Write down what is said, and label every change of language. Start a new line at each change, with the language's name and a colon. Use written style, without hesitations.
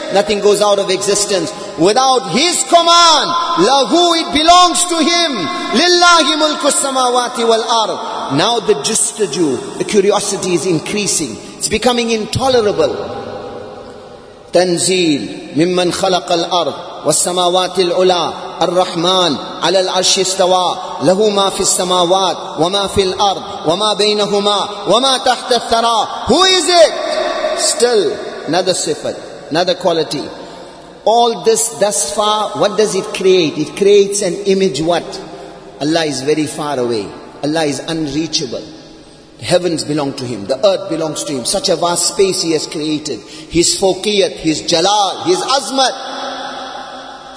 English: Nothing goes out of existence. Without His command, lahu, it belongs to Him.
Arabic: Lillahi mulku samawati wal ard.
English: Now the jistaju, the curiosity is increasing. It's becoming intolerable.
Arabic: Tanzeel, mimman khalaqal ard. والسماوات العلا الرحمن على العرش استوى له ما في السماوات وما في الأرض وما بينهما وما تحت الثرى.
English: Who is it? Still another sifat, another quality. All this thus far, what does it create? It creates an image what? Allah is very far away. Allah is unreachable. The heavens belong to Him. The earth belongs to Him. Such a vast space He has created. His fawqiyat, His jalal, His azmat.